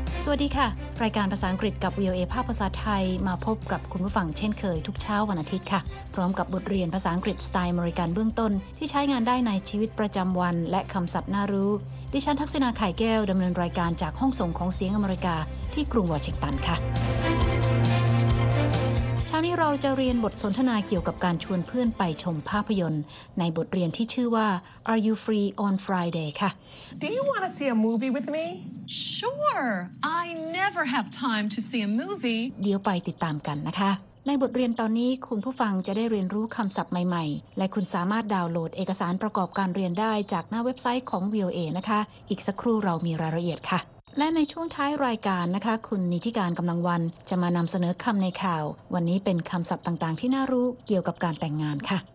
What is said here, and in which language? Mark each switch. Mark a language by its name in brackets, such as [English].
[Thai] วัสดีค่ะรายการภาษาอังกฤษกับ VOA ภาคภาษาไทยมาพบกับคุณผู้ฟังเช่นเคยทุกเช้าวันอาทิตย์ค่ะพร้อมกับบทเรียนภาษาอังกฤษสไตล์อเมริกันเบื้องต้นที่ใช้งานได้ในชีวิตประจำวันและคำศัพท์น่ารู้ดิฉันทักษณาไข่แก้วดำเนินรายการจากห้องส่งของเสียงอเมริกาที่กรุงวอชิงตันค่ะเช้านี้เราจะเรียนบทสนทนาเกี่ยวกับการชวนเพื่อนไปชมภาพยนตร์ในบทเรียนที่ชื่อว่า Are you free on Friday ค่ะ [English] Do you want to see a movie with me? Sure. I never have time to see a movie. [Thai] เดี๋ยวไปติดตามกันนะคะในบทเรียนตอนนี้คุณผู้ฟังจะได้เรียนรู้คำศัพท์ใหม่ๆและคุณสามารถดาวน์โหลดเอกสารประกอบการเรียนได้จากหน้าเว็บไซต์ของ VOA นะคะอีกสักครู่เรามีรายละเอียดค่ะและในช่วงท้ายรายการนะคะคุณนิติการกำลังวันจะมานำเสนอคำในข่าววันนี้เป็นคำศัพท์ต่างๆที่น่ารู้เกี่ยวกับการแต่งงานค่ะ